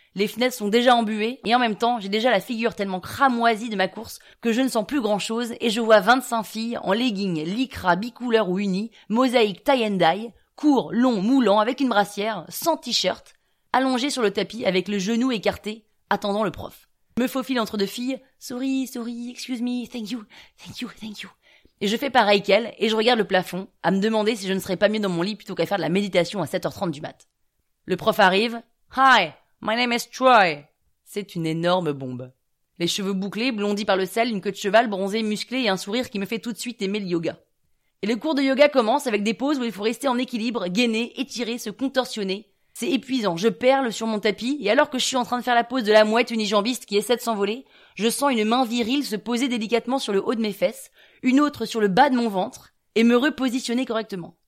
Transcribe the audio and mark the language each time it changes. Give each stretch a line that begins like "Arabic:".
French: Les fenêtres sont déjà embuées et en même temps, j'ai déjà la figure tellement cramoisie de ma course que je ne sens plus grand chose et je vois 25 filles en leggings, lycra, bicouleur ou uni, mosaïque, tie and dye, court, long, moulant, avec une brassière, sans t-shirt, allongées sur le tapis avec le genou écarté, attendant le prof. Je me faufile entre 2 filles, souris, souris,
English: excuse me, thank you.
French: Et je fais pareil qu'elle, et je regarde le plafond, à me demander si je ne serais pas mieux dans mon lit plutôt qu'à faire de la méditation à 7h30 du mat. Le prof arrive,
English: hi, my name is Troy.
French: C'est une énorme bombe. Les cheveux bouclés, blondis par le sel, une queue de cheval, bronzée, musclée et un sourire qui me fait tout de suite aimer le yoga. Et le cours de yoga commence avec des poses où il faut rester en équilibre, gainer, étirer, se contorsionner. C'est épuisant, je perle sur mon tapis, et alors que je suis en train de faire la pose de la mouette unijambiste qui essaie de s'envoler, je sens une main virile se poser délicatement sur le haut de mes fesses, une autre sur le bas de mon ventre, et me repositionner correctement.